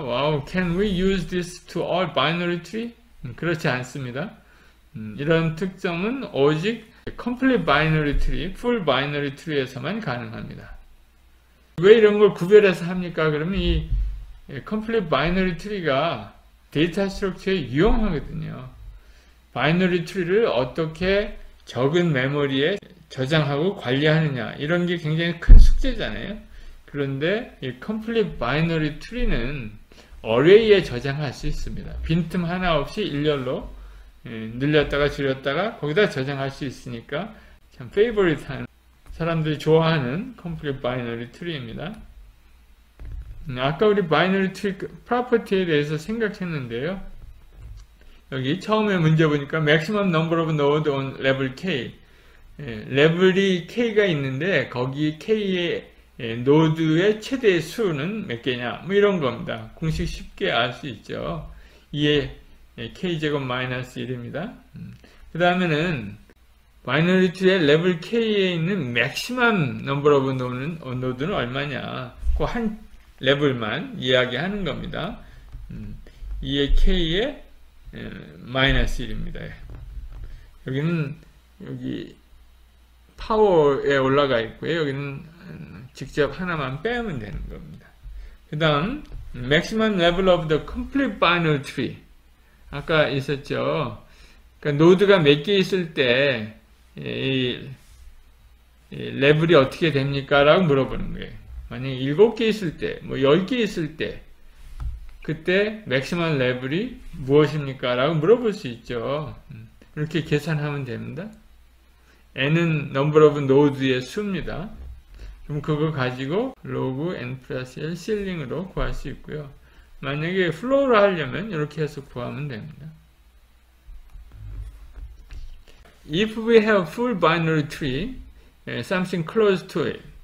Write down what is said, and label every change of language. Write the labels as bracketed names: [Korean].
[English] 와우, can we use this to all binary tree? [Korean] 그렇지 않습니다. 이런 특점은 오직 complete binary tree, full binary tree에서만 가능합니다. 왜 이런 걸 구별해서 합니까? 그러면 이 complete binary tree가 데이터 스트럭처에 유용하거든요. 바이너리 트리를 어떻게 적은 메모리에 저장하고 관리하느냐 이런 게 굉장히 큰 숙제잖아요. 그런데 이 컴플릿 바이너리 트리는 어레이에 저장할 수 있습니다. 빈틈 하나 없이 일렬로 늘렸다가 줄였다가 거기다 저장할 수 있으니까 참 페이보릿한 사람들이 좋아하는 컴플릿 바이너리 트리입니다. 아까 우리 바이너리 트리 프로퍼티에 대해서 생각했는데요. 여기 처음에 문제 보니까 [English] Maximum Number of Nodes on Level K. [Korean] 레벨이 K가 있는데 거기 K의 노드의 최대 수는 몇 개냐? 뭐 이런 겁니다. 공식 쉽게 알수 있죠. 2의 K제곱 마이너스 1입니다. 그 다음에는 바이너리 트리의 레벨 K에 있는 [English] Maximum Number of Nodes [Korean] 는 얼마냐? 그한 레벨만 이야기하는 겁니다. 2의 K에 마이너스 1입니다. 여기 파워에 올라가 있고요. 여기는 직접 하나만 빼면 되는 겁니다. 그 다음, [English] Maximum Level of the Complete Binary Tree. [Korean] 아까 있었죠. 그러니까 노드가 몇개 있을 때, 레벨이 어떻게 됩니까? 라고 물어보는 거예요. 만약에 7개 있을 때, 뭐 10개 있을 때, 그때 맥시멈 레벨이 무엇입니까? 라고 물어볼 수 있죠. 이렇게 계산하면 됩니다. n은 number of node의 수입니다. 그럼 그거 가지고 로그 n 플러스 1 실링으로 구할 수 있고요. 만약에 플로우를 하려면 이렇게 해서 구하면 됩니다. [English] If we have full binary tree, something close to it.